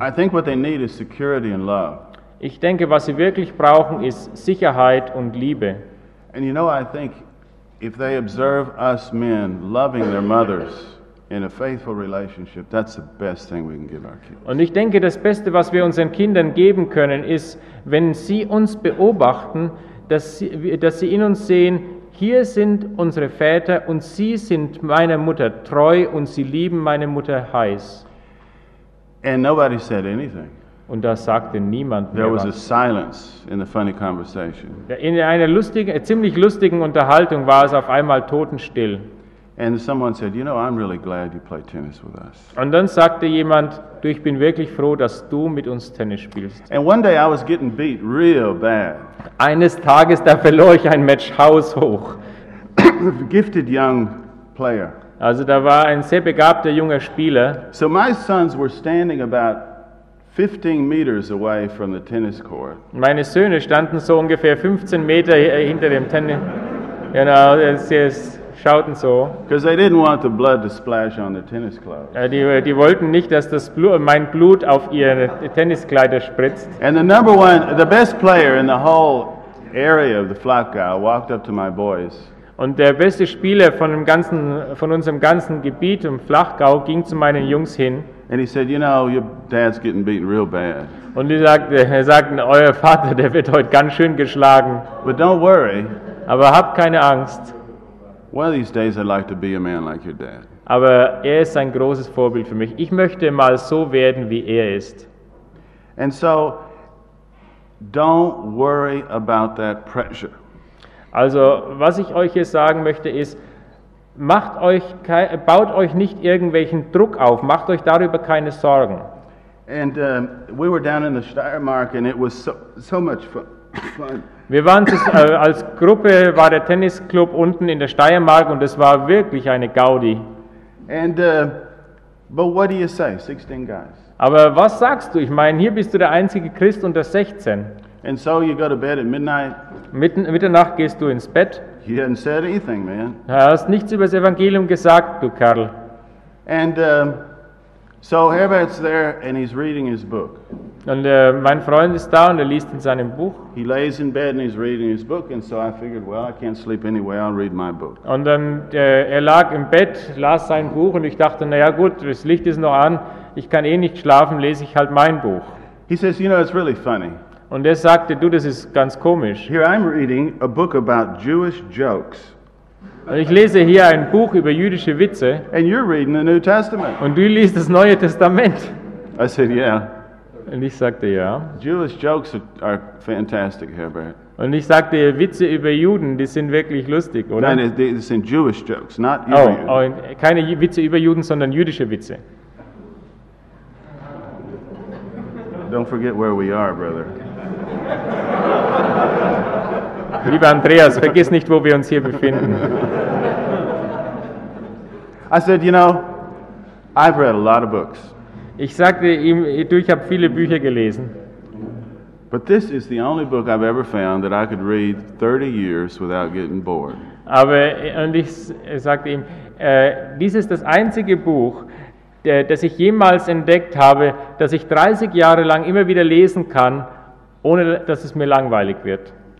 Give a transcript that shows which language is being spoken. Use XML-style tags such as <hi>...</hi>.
<en>I think what they need is security and love.</en> <de>Ich denke, was sie wirklich brauchen, ist Sicherheit und Liebe.</de> <en>And you know, I think if they observe us men loving their mothers in a faithful relationship, that's the best thing we can give our kids.</en> <de>Und ich denke, das Beste, was wir unseren Kindern geben können, ist, wenn sie uns beobachten, dass sie in uns sehen, hier sind unsere Väter und sie sind meiner Mutter treu und sie lieben meine Mutter heiß.</de> <en>And nobody said anything.</en> <de>Und da sagte niemand mehr.</de> <en>There was a silence in the funny conversation.</en> <de>In einer ziemlich lustigen Unterhaltung war es auf einmal totenstill.</de> <en>And someone said, you know, I'm really glad you play tennis with us.</en> <de>Und dann sagte jemand, du, ich bin wirklich froh, dass du mit uns Tennis spielst.</de> <en>And one day I was getting beat real bad.</en> <de>Eines Tages, da verlor ich ein Match haushoch.</de> <en>Gifted young player.</en> <de>Also da war ein sehr begabter junger Spieler.</de> <en>So my sons were standing about 15 meters away from the tennis court.</en> <de>Meine Söhne standen so ungefähr 15 Meter hinter dem Tennis. Genau, schauten so.</de> <en>Because they didn't want the blood to splash on the tennis clothes.</en> <de>Die wollten nicht, dass mein Blut auf ihre Tenniskleider spritzt.</de> <en>And the number one, the best player in the whole area of the Flachgau walked up to my boys.</en> <de>Und der beste Spieler von unserem ganzen Gebiet im Flachgau ging zu meinen Jungs hin.</de> <en>And he said, you know, your dad's getting beaten real bad.</en> <de>Und er sagte, euer Vater, der wird heute ganz schön geschlagen.</de> <en>But don't worry.</en> <de>Aber habt keine Angst.</de> <en>One of these days I'd like to be a man like your dad.</en> <de>Aber ist ein großes Vorbild für mich. Ich möchte mal so werden, wie ist.</de> <en>And so, don't worry about that pressure.</en> <de>Also, was ich euch hier sagen möchte ist, baut euch nicht irgendwelchen Druck auf, macht euch darüber keine Sorgen.</de> <en>And we were down in the Steiermark and it was so much fun.</en> <de>Wir waren als Gruppe, war der Tennisclub unten in der Steiermark und es war wirklich eine Gaudi.</de> <en>And, but what do you say, 16 guys?</en> <de>Aber was sagst du? Ich meine, hier bist du der einzige Christ unter 16.</de> <en>And so you go to bed at midnight.</en> <de>Mitternacht gehst du ins Bett.</de> <en>He hadn't said anything, man.</en> <de>Du hast nichts über das Evangelium gesagt, du Kerl.</de> <en>And so Herbert's there and he's reading his book.</en> <de>Und mein Freund ist da und liest in seinem Buch.</de> <en>He lays in bed and he's reading his book and so I figured, well, I can't sleep anyway, I'll read my book.</en> <de>Und dann lag im Bett, las sein Buch und ich dachte, na ja, gut, das Licht ist noch an, ich kann nicht schlafen, lese ich halt mein Buch.</de> <en>He says, you know, it's really funny.</en> <de>Und sagte, du, das ist ganz komisch.</de> <en>Here I'm reading a book about Jewish jokes.</en> <de>Und ich lese hier ein Buch über jüdische Witze.</de> <en>And you're reading the New Testament.</en> <de>Und du liest das Neue Testament.</de> <en>I said, yeah.</en> <de>Und ich sagte, ja.</de> <en>Jewish jokes are fantastic, Herbert.</en> <de>Und ich sagte, Witze über Juden, die sind wirklich lustig, oder? Nein, das sind</de> <en>Jewish jokes, not</en> <de>Juden. Oh, keine Witze über Juden, sondern jüdische Witze.</de> <en>don't forget where we are, brother.</en> <de>Lieber Andreas, vergiss nicht, wo wir uns hier befinden.</de> <en>I said, you know, I've read a lot of books.</en> <de>Ich sagte ihm, du, ich habe viele Bücher gelesen.</de> <en>But this is the only book I've ever found that I could read 30 years without getting bored.</en> <de>Aber und ich sagte ihm, dies ist das einzige Buch, das ich jemals entdeckt habe, das ich 30 Jahre lang immer wieder lesen kann, ohne dass es mir langweilig wird.</de>